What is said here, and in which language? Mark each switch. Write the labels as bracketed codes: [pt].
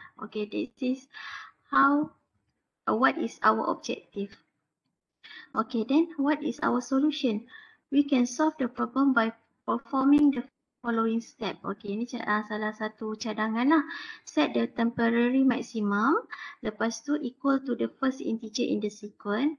[en] Okay, this is how, what is our objective. Okay, then what is our solution? We can solve the problem by performing the following step. [ms] Okay, ini salah satu cadangan lah. [en] Set the temporary maximum. [ms] Lepas tu [en] equal to the first integer in the sequence.